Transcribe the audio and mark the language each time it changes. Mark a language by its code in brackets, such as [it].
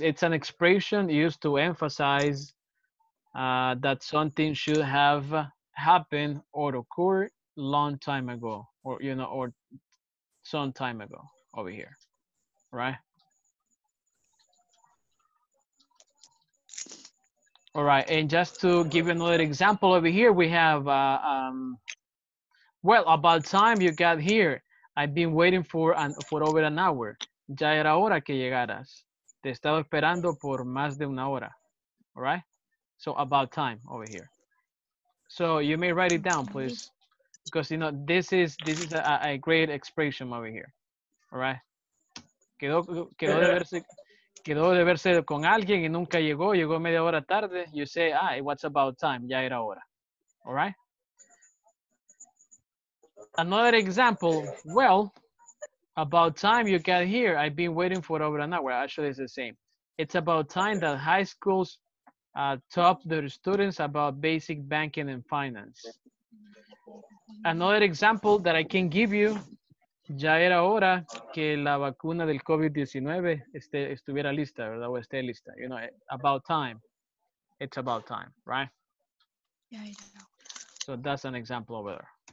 [en] It's an expression used to emphasize that something should have happened or occurred long time ago, or, you know, or some time ago over here, right? All right, and just to give you another example over here, we have, about time you got here. I've been waiting for over an hour. [es] Ya era hora que llegaras. Te estaba esperando por más de una hora. [en] All right? So about time over here. So you may write it down, please. Because, you know, this is a great expression over here. All right? [es] Quedó de verse con alguien y nunca llegó. Llegó media hora tarde. [en] You say, what's about time? [es] Ya era hora. All right? [en] Another example. Well, about time you got here. I've been waiting for over an hour. Actually, it's the same. It's about time that high schools taught their students about basic banking and finance. Another example that I can give you. [es] Ya era hora que la vacuna del COVID-19 estuviera lista, ¿verdad? O esté lista. [en] You know, about time. It's about time, right? Yeah, I know. So that's an example over there.